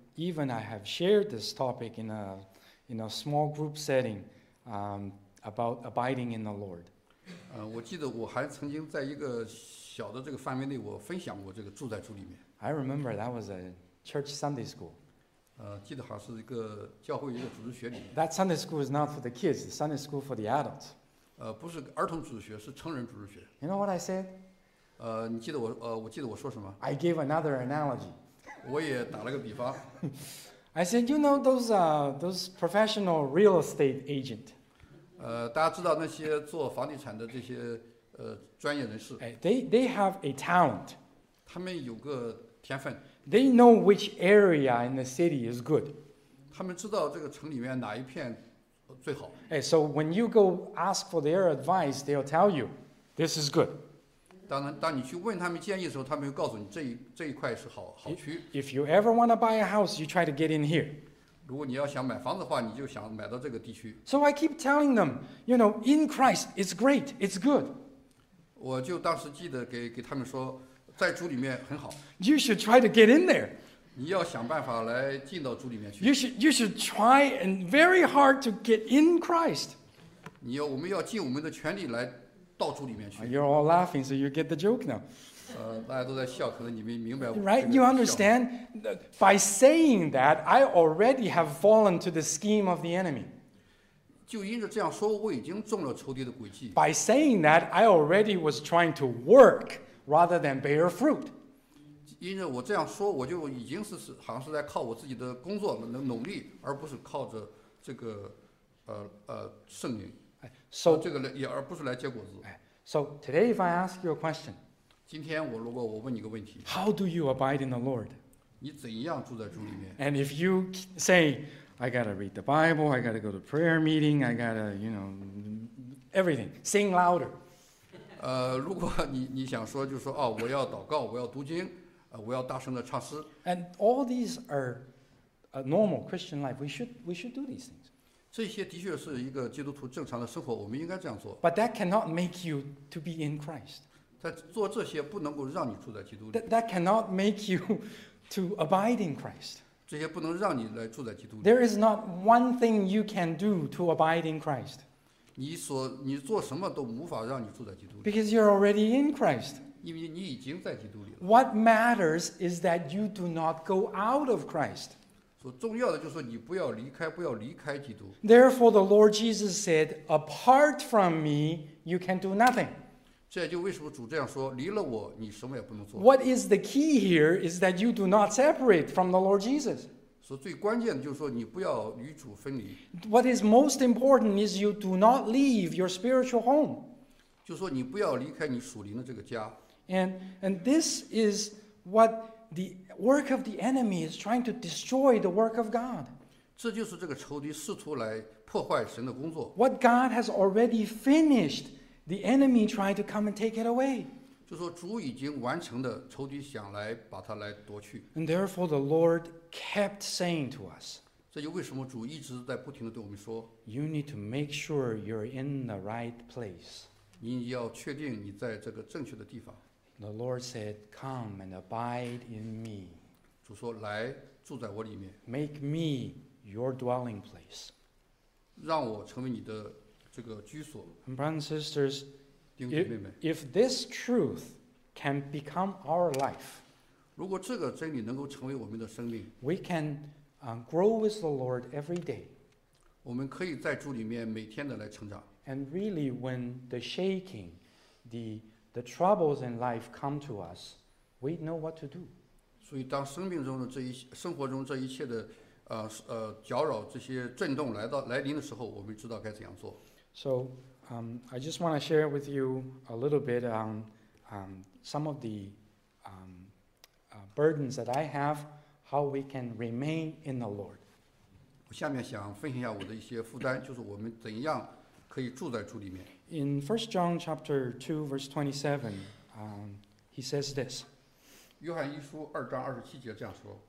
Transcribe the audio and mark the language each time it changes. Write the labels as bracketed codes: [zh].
[en] Even I have shared this topic in a small group setting about abiding in the Lord. [zh] 我记得我还曾经在一个小的这个范围内，我分享过这个住在主里面。 [en] I remember that was a church Sunday school. [zh] 记得好像是一个教会一个主日学里面。 [en] That Sunday school is not for the kids. The Sunday school for the adults. [zh] 不是儿童主日学，是成人主日学。 [en] You know what I said? [zh] 你记得我记得我说什么 [en] ？I gave another analogy. [zh] 我也打了个比方。 [en] I said, you know those professional real estate agent. [zh] 大家知道那些做房地产的这些专业人士。 [en] They have a talent. [zh] 他们有个田分。 [en] They know which area in the city is good. [zh] 他们知道这个城里面哪一片最好。 [en] Hey, so when you go ask for their advice, they'll tell you, this is good. [zh] 当然，当你去问他们建议的时候，他们会告诉你这一块是好区。 [en] If you ever want to buy a house, you try to get in here. [zh] 如果你要想买房子的话，你就想买到这个地区。 [en] So I keep telling them, you know, in Christ, it's great, it's good. [zh] 我就当时记得给他们说，在主里面很好。 [en] You should try to get in there. [zh] 你要想办法来进到主里面去。 [en] You should try and very hard to get in Christ. [zh] 你要我们要尽我们的全力来到主里面去。 [en] You're all laughing, so you get the joke now. [zh] 大家都在笑，可能你们明白。 [en] Right, you understand? By saying that, I already have fallen to the scheme of the enemy. [zh] 就因着这样说，我已经中了仇敌的诡计。 [en] By saying that, I already was trying to work rather than bear fruit. [zh] 因着我这样说，我就已经是好像是在靠我自己的工作能努力，而不是靠着这个圣灵。 [en] So [zh] 这个也而不是来结果子。 [en] So today, if I ask you a question. [zh] 今天我如果我问你个问题 [en] ，How do you abide in the Lord？ [zh] 你怎样住在主里面 [en] ？And if you say, I gotta read the Bible, I gotta go to prayer meeting, I gotta, you know, everything, sing louder。 [zh] 如果你想说，就说哦，我要祷告，我要读经，我要大声的唱诗。 [en] And all these are a normal Christian life. We should do these things。 [zh] 这些的确是一个基督徒正常的生活，我们应该这样做。 [en] But that cannot make you to be in Christ。 [zh] 在做这些不能够让你住在基督里。 [en] That cannot make you to abide in Christ. [zh] 这些不能让你来住在基督里。 [en] There is not one thing you can do to abide in Christ. [zh] 你做什么都无法让你住在基督里。 [en] Because you're already in Christ. [zh] 因为你已经在基督里了。 [en] What matters is that you do not go out of Christ. [zh] 所重要的就是你不要离开，不要离开基督。 [en] Therefore, the Lord Jesus said, "Apart from me, you can do nothing." [zh] 这就为什么主这样说，离了我，你什么也不能做。 [en] What is the key here is that you do not separate from the Lord Jesus. [zh] 所以最关键的就是说，你不要与主分离。 [en] What is most important is you do not leave your spiritual home. [zh] 就说你不要离开你属灵的这个家。 [en] And this is what the work of the enemy is trying to destroy the work of God. [zh] 这就是这个仇敌试图来破坏神的工作。 [en] What God has already finished. The enemy tried to come and take it away. [zh] 就说主已经完成的，仇敌想来把它来夺去。 [en] And therefore the Lord kept saying to us. [zh] 这就为什么主一直在不停地对我们说。 [en] You need to make sure you're in the right place. [zh] 你要确定你在这个正确的地方。 [en] The Lord said, "Come and abide in me." [zh] 主说来住在我里面。 [en] Make me your dwelling place. [zh] 让我成为你的。 [en] And brothers and sisters, if this truth can become our life, [zh] 如果这个真理能够成为我们的生命, [en] we can grow with the Lord every day. [zh] 我们可以在主里面每天的来成长。 [en] And really, when the shaking, the troubles in life come to us, we know what to do. [zh] 所以当生命中的这一生活中这一切的搅扰这些震动来临的时候，我们知道该怎样做。 [en] So, I just want to share with you a little bit on some of the burdens that I have, how we can remain in the Lord. [zh] 我下面想分享一下我的一些负担，就是我们怎样可以住在主里面。 [en] In 1 John chapter 2, verse 27, he says this. [zh] 约翰一书二章二十七节这样说。